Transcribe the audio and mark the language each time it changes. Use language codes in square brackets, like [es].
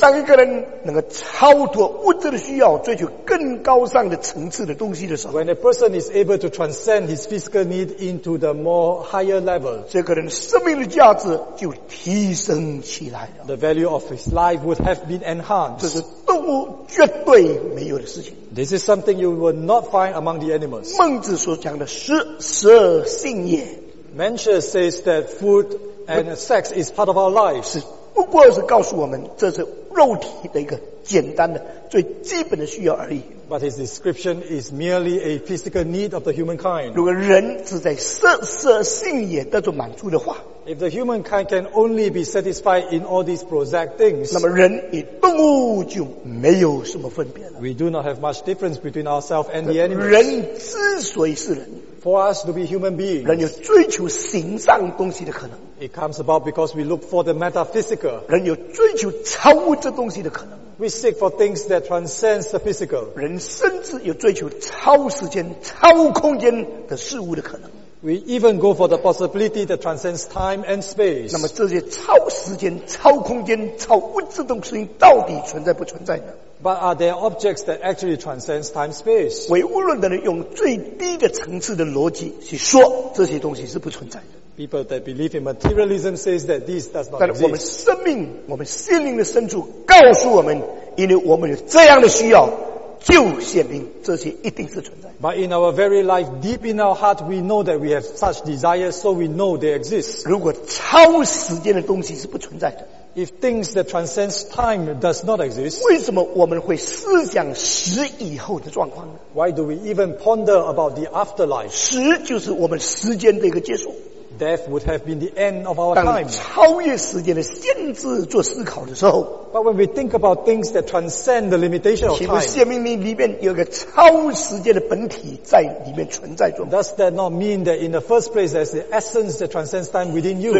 [zh] 当一个人能够超脱物质的需要，追求更高尚的层次的东西的时候， [en] When a person is able to transcend his physical need into the more higher level, [zh] 这个人生命的价值就提升起来了。 [en] The value of his life would have been enhanced. [zh] 这是动物绝对没有的事情。 [en] This is something you will not find among the animals. [zh] 孟子所讲的食性也。 [en] Mencius says that food and sex is part of our life. [zh] 是不过是告诉我们这是肉体的一个简单的最基本的需要而已。 [en] But his description is merely a physical need of the humankind. [zh] 如果人只在食性也得到满足的话， [en] If the humankind can only be satisfied in all these prosaic things, [zh] 那么人与动物就没有什么分别了。 [en] We do not have much difference between ourselves and the animals. [zh] 人之所以是人， [en] For us to be human beings, [zh] 人有追求形上东西的可能。 [en] It comes about because we look for the metaphysical. [zh] 人有追求超物质东西的可能。 [en] We seek for things that transcend the physical. [zh] 人甚至有追求超时间、超空间的事物的可能。 [en] We even go for the possibility that transcends time and space. [zh] 那么这些超时间、超空间、超物质东西到底存在不存在呢？ [en] But are there objects that actually transcends time space? [zh] 唯物论的人用最低的层次的逻辑去说这些东西是不存在的。 [en] People that believe in materialism says that this does not exist. [zh] 但我们生命、我们心灵的深处告诉我们，因为我们有这样的需要，就显明这些一定是存在。 [en] But in our very life, deep in our heart, we know that we have such desires, so we know they exist. [zh] 如果超时间的东西是不存在的。 [en] If things that transcend time does not exist, [zh] 为什么我们会思想死以后的状况呢？ [en] Why do we even ponder about the afterlife? [zh] 死就是我们时间的一个结束。 [en] Death would have been the end of our time. [zh] 当超越时间的限制做思考的时候， [en] But when we think about things that transcend the limitation of time, [zh] 岂不显明你里面有个超时间的本体在里面存在着？ [en] Does that not mean that in the first place there's the essence that transcends time within you?